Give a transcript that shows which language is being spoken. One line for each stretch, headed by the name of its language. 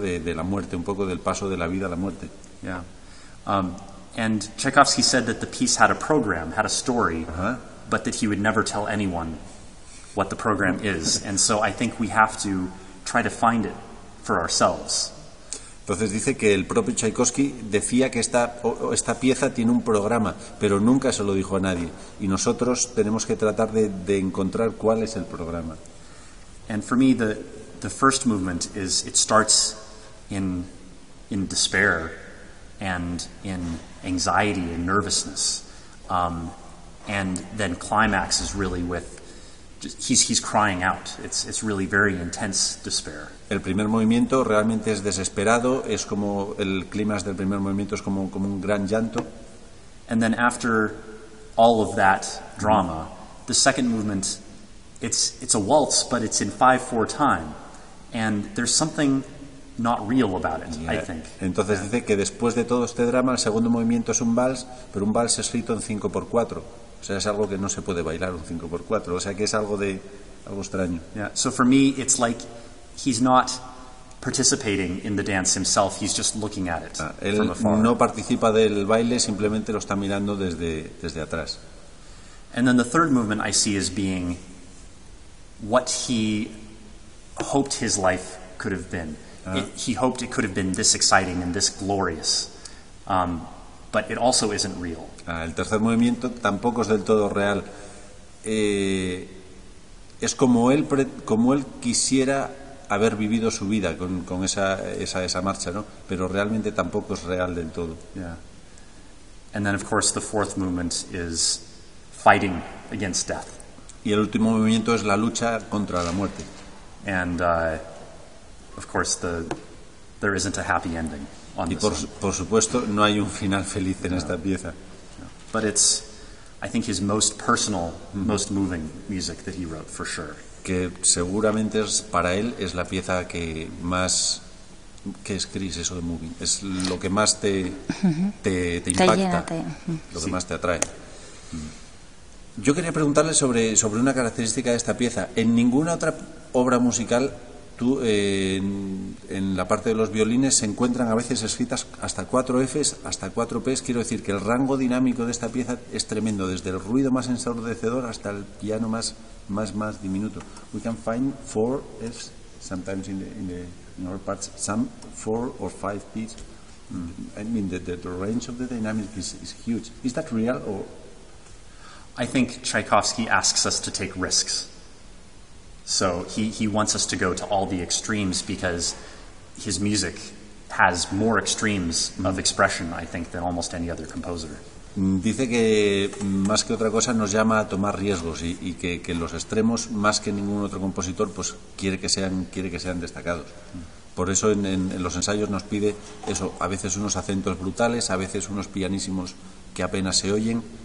Spanish: De la muerte, un poco del paso de la vida a la muerte.
English: Yeah. And Tchaikovsky said that the piece had a program, had a story, but that he would never tell anyone what the program is. And so I think we have to try to find it for ourselves.
Spanish: Entonces dice que el propio Tchaikovsky decía que esta pieza tiene un programa, pero nunca se lo dijo a nadie. Y nosotros tenemos que tratar de encontrar cuál es el programa.
English: And for me, the first movement is it starts in despair and in anxiety and nervousness, and then climaxes really with just, he's crying out. It's really very intense despair.
Spanish: El primer movimiento realmente es desesperado. Es como el clímax del primer movimiento es como un gran llanto.
English: And then after all of that drama, the second movement, it's a waltz, but it's in 5/4 time, and there's something not real about it, yeah. I think.
Spanish: Entonces dice que después de todo este drama, el segundo movimiento es un vals, pero un vals escrito en 5/4. O sea, es algo que no se puede bailar un 5/4. O sea, que es algo extraño.
English: Yeah. So for me, it's like he's not participating in the dance himself. He's just looking at it.
Spanish: Él no participa del baile, simplemente lo está mirando desde atrás.
English: And then the third movement I see as being what he hoped his life could have been. He hoped it could have been this exciting and this glorious, but it also isn't real.
Spanish: El tercer movimiento tampoco es del todo real. Es como él quisiera haber vivido su vida con esa marcha, ¿no? Pero realmente tampoco es real del todo.
English: Yeah. And then, of course, the fourth movement is fighting against death.
Spanish: Y el último movimiento es la lucha contra la muerte.
English: Of course, there isn't a happy ending on this.
Spanish: Y por supuesto, no hay un final feliz en esta pieza.
English: But it's, I think, his most personal, most moving music that he wrote, for sure.
Spanish: Que seguramente es para él es la pieza que más que escribes eso de moving. Es lo que más te impacta. Te llena, lo que más te atrae. Yo quería preguntarle sobre una característica de esta pieza. En ninguna otra obra musical tú en la parte de los violines se encuentran a veces escritas hasta 4 Fs, hasta 4 Ps. Quiero decir que el rango dinámico de esta pieza es tremendo, desde el ruido más ensordecedor hasta el piano más diminuto.
English: We can find 4 Fs sometimes in our parts, some 4 or 5 Ps. I mean the range of the dynamic is huge. Is that real or? I think Tchaikovsky asks us to take risks. So he wants us to go to all the extremes because his music has more extremes of expression, I think, than almost any other composer.
Spanish: Dice que más que otra cosa nos llama a tomar riesgos y que los extremos más que ningún otro compositor pues quiere que sean destacados. Por eso en los ensayos nos pide eso, a veces unos acentos brutales, a veces unos pianísimos que apenas se oyen.